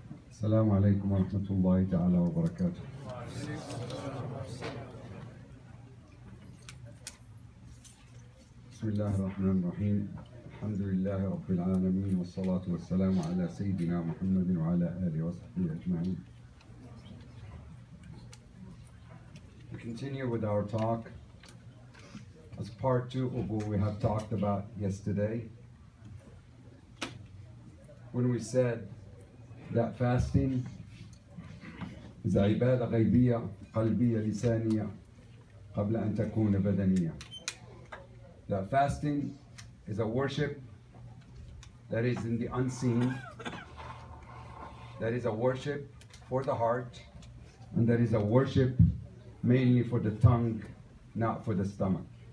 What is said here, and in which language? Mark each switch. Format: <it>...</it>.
<ar>السلام عليكم ورحمة الله تعالى وبركاته. بسم الله الرحمن الرحيم. الحمد لله رب العالمين، والصلاة والسلام على سيدنا محمد وعلى آله وصحبه أجمعين.</ar> <en>We continue with our talk as part two of what we have talked about yesterday. When we said that fasting is</en> <ar>عبادة غيبية قلبية لسانية قبل أن تكون بدنية.</ar> <en>That fasting is a worship that is in the unseen, that is a worship for the heart, and that is a worship mainly for the tongue, not for the stomach.</en>